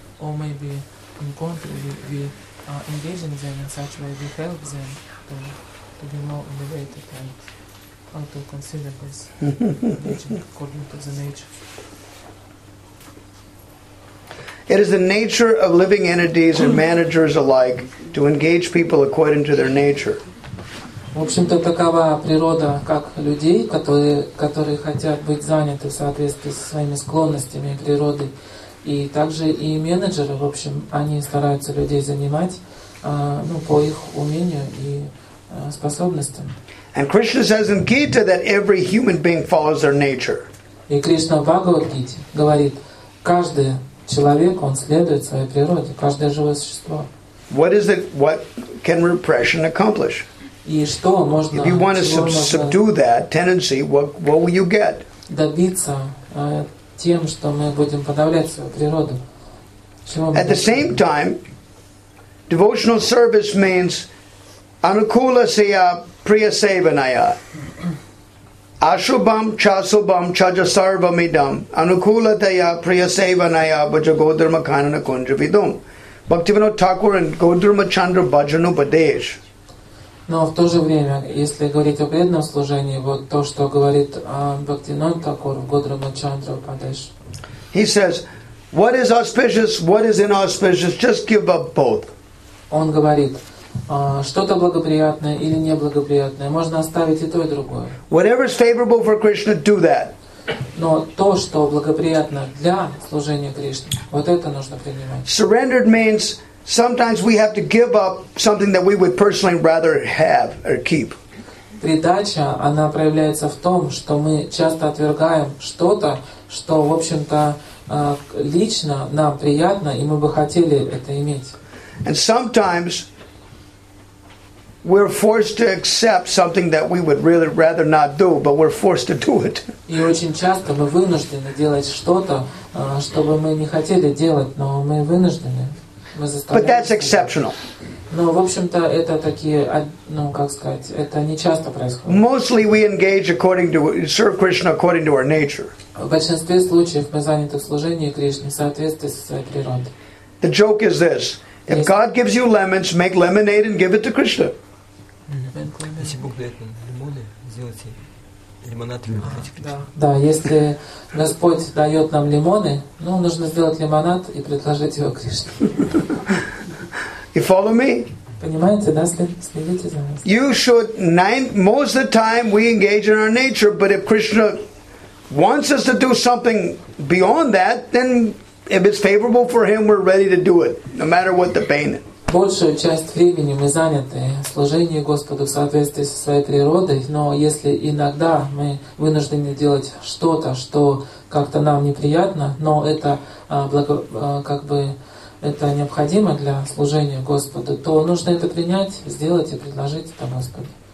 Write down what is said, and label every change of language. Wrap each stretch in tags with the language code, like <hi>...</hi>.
<en>Or maybe in contrary, we engaging them in such a way we help them to be more elevated and how to consider this according to the nature. It is the nature of living entities and managers alike to engage people according to their nature.</en> <ru>В общем-то, такова природа как людей, которые хотят быть заняты в соответствии со своими склонностями и природой, и также и менеджеры, в общем, они стараются людей занимать по их умению и способностям.</ru> <en>And Krishna says in Gita that every human being follows their nature.</en> <ru>И Кришна в Бхагавад-гите говорит, каждый человек, он следует своей природе, каждое живое существо.</ru> <en>What can repression accomplish?</en> <ru>И что можно,</ru> <en>if you want to subdue that tendency, what will you get?</en> <ru>Добиться тем, что мы будем подавлять свою природу.</ru> <en>At the same time, devotional service means anukulasya priyasevanaya.</en> <sa>Ashubham chasubham chajasarvam idam anukulataya priyasevanaya bhajagodharma khanana kunjavidum.</sa> <en>Bhaktivinoda Thakur and Godharma Chandra Bhajanu Padesh.</en> <ru>Но в то же время, если говорить о преданном служении, вот то, что говорит Бхактинанда Такур в Годрама Чандра Падеш.</ru> <en>He says, what is auspicious, what is inauspicious, just give up both.</en> <ru>Он говорит, что-то благоприятное или неблагоприятное, можно оставить и то, и другое.</ru> <en>Whatever is favorable for Krishna, do that.</en> <ru>Но то, что благоприятно для служения Кришне, вот это нужно принимать.</ru> <en>Surrendered means sometimes we have to give up something that we would personally rather have or keep.</en> <ru>Предача, она проявляется в том, что мы часто отвергаем что-то, что, в общем-то, лично нам приятно, и мы бы хотели это иметь.</ru> <en>And sometimes we're forced to accept something that we would really rather not do, but we're forced to do it.</en> <ru>И очень часто мы вынуждены делать что-то, что бы мы не хотели делать, но мы вынуждены.</ru> <en>But that's exceptional.</en> <ru>Но, в общем-то, это такие, ну, как сказать, это не часто происходит.</ru> <en>Mostly we engage according to serve Krishna according to our nature.</en> <ru>В большинстве случаев мы заняты в служении Кришне в соответствии со своей природой.</ru> <en>The joke is this: if God gives you lemons, make lemonade and give it to Krishna.</en> <ru>Если Бог дает лимоны, сделайте лимонад и предайте Кришне. Да, если Господь дает нам лимоны, ну, нужно сделать лимонад и предложить его Кришне.</ru> <en>You follow me?</en> <ru>Понимаете, да, следите за нами.</ru> <en>You should, most of the time we engage in our nature, but if Krishna wants us to do something beyond that, then if it's favorable for him, we're ready to do it, no matter what the pain is.</en> <ru>Большую часть времени мы заняты служением Господу в соответствии со своей природой, но если иногда мы вынуждены делать что-то, что как-то нам неприятно, но это как бы это необходимо для служения Господу, то нужно это принять, сделать и предложить это Господу.</ru>